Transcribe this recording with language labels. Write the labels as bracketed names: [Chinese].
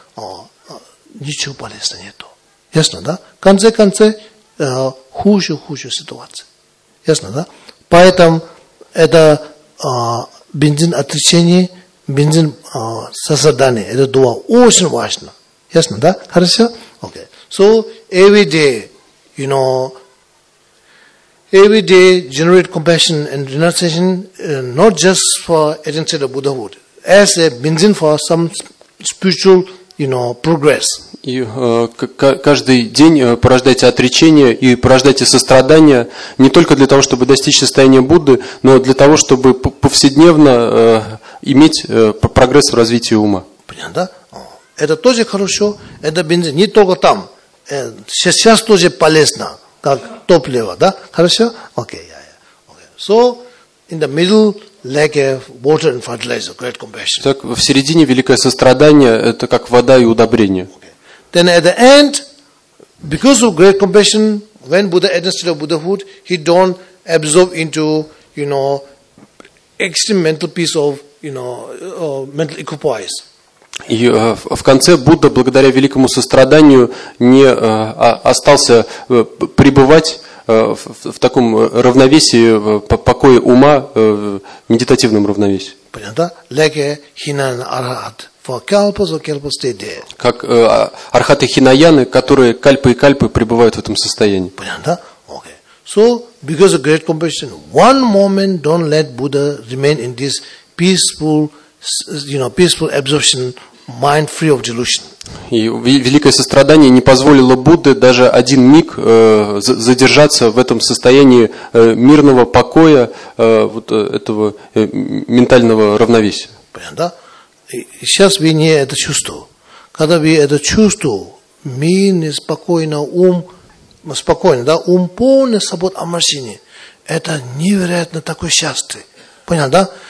[Russian] О, ничего полезного нету. Ясно, да? В конце концов, хуже ситуация. Ясно, да? Поэтому это бензин отречения, бензин создания, это два очень важно. Ясно, да? Хорошо? Окей. [English] So, every day, you know, every day generate compassion and renunciation, not just for agency of Buddhahood, as a benzene for some spiritual, you know, progress. [Russian] И каждый день порождайте отречение и порождайте сострадание не только для того, чтобы достичь состояния Будды, но для того, чтобы повседневно иметь прогресс в развитии ума. Понятно, да? Это тоже хорошо, это бензин, не только там. Сейчас тоже полезно, как топливо, да? Хорошо? Окей, okay. [English] So, in the middle, like a water and fertilizer, great compassion. [Russian] Так, в середине великое сострадание, это как вода и удобрение. [English] Then at the end, because of great compassion, when Buddha attained the Buddhahood, he don't absorb into, you know, extreme mental peace of, you know, mental equipoise. [Russian] И в конце Будда, благодаря великому состраданию, не остался пребывать в таком равновесии, в покое ума, в медитативном равновесии. Понятно? [English] Like a Hinayan Arhat. For kalpas or kalpas stay there. [Russian] Как Архаты Хинаяны, которые кальпы и кальпы пребывают в этом состоянии. Понятно, да? [English] Okay. So, because of great compassion, one moment don't let Buddha remain in this peaceful, you know, peaceful absorption, mind free of delusion. [Russian] И великое сострадание не позволило Будде даже один миг задержаться в этом состоянии мирного покоя, вот этого ментального равновесия. Понятно, да? Сейчас вы не это чувствуете. Когда вы это чувствуете, мирный, спокойный ум, спокойный, да, ум полный забот о морщине, это невероятно такое счастье. Понял, да?